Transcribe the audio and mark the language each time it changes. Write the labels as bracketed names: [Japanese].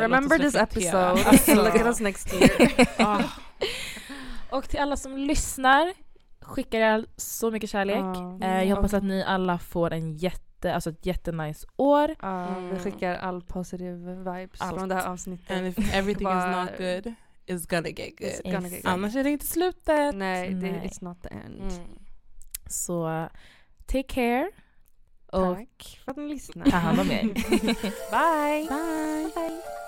[English] Remember this episode. Look at us next year. [Swedish] Och till alla som lyssnar, skickar jag så mycket kärlek. Jag hoppas att ni alla får en ett jättenice år. Vi skickar [English] all positive vibes [Swedish] från det här avsnittet. [English] And if everything is not good, it's gonna get good. It's gonna get good. [Swedish] Annars är det inte slutet. Nej, [English] it's not the end. Mm. [Swedish] Så, [English] take care. [Swedish] Tack för att ni lyssnar. Ta hand om er. [English] Bye. Bye. Bye.